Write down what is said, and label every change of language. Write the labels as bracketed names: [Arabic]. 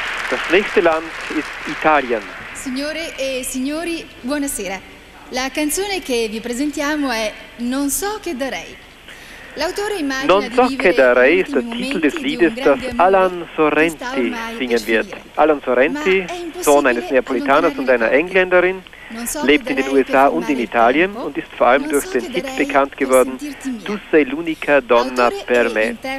[German] Das nächste Land ist Italien. [Italian] Signore e signori, buonasera. La canzone che vi presentiamo è Non so che darei. L'autore immagina non so di vivere [German] che darei ist der Titel des Liedes, das Alan Sorrenti singen wird. Alan Sorrenti, Sohn eines Neapolitaners und einer Engländerin, lebt in den USA und in Italien und ist vor allem durch den Hit bekannt geworden Tu sei l'unica donna per me.